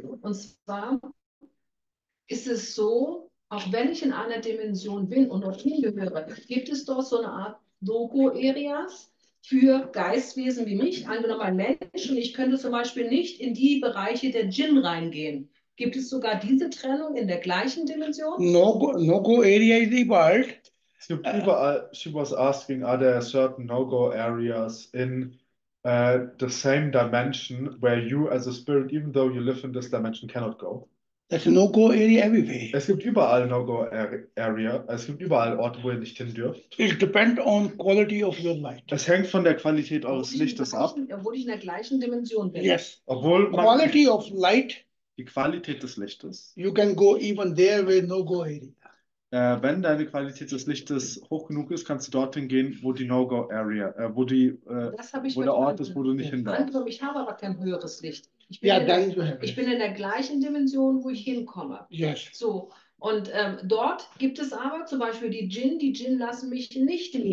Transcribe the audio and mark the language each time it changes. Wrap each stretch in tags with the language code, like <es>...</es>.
<de>Und zwar ist es so, auch wenn ich in einer Dimension bin und noch hingehöre, gibt es dort so eine Art Logo-Areas für Geistwesen wie mich, angenommen ein Mensch, und ich könnte zum Beispiel nicht in die Bereiche der Djinn reingehen. Gibt es sogar diese Trennung in der gleichen Dimension?</de> <en>No-go area is evolved.</en> <de>Es gibt überall,</de> <en>she was asking, are there certain no-go areas in the same dimension where you as a spirit, even though you live in this dimension, cannot go? There's a no-go area everywhere.</en> <de>Es gibt überall no-go area. Es gibt überall Orte, wo ihr nicht hin dürft.</de> <en>It depends on quality of your light.</en> <de>Das hängt von der Qualität eures Lichtes ab. Obwohl ich in der gleichen Dimension bin.</de> <en>Yes.</en> <de>Obwohl</de> <en>quality of light.</en> <de>Die Qualität des Lichtes.</de> <en>You can go even there with no-go area.</en> <de>Wenn deine Qualität des Lichtes hoch genug ist, kannst du dorthin gehen, wo die No-Go Area, wo der Ort ist, wo du nicht hin darfst. Ich habe aber kein höheres Licht. Ich bin, ja, danke. Ich bin in der gleichen Dimension, wo ich hinkomme.</de> <en>Yes.</en> <de>So, und dort gibt es aber zum Beispiel die Djinn lassen mich nicht in</de>